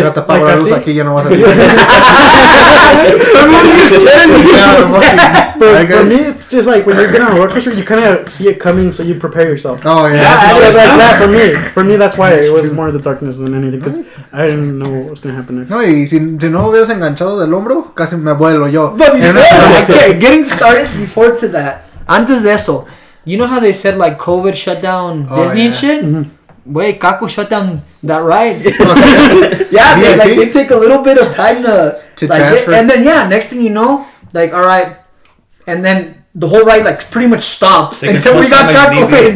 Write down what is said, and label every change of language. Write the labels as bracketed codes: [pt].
[en] I got the power, like, I was like, you know what? Start moving his tent! For me, it's just like when you get on a roller coaster, you kind of see it coming, so you prepare yourself. Oh, yeah. For me, that's why it was more the darkness than anything, because I didn't know what was going to happen next. [es] No, y si no hubieras enganchado del hombro, casi me vuelo yo. [en] But getting started before to that, [es] antes de eso, [en] you know how they said, like, COVID shut down Disney and shit? Mm-hmm. Wait, Kako shut down that ride. they take a little bit of time to like, transfer. And then, yeah, next thing you know, like, all right. And then the whole ride, like, pretty much stops like until we got Kako in.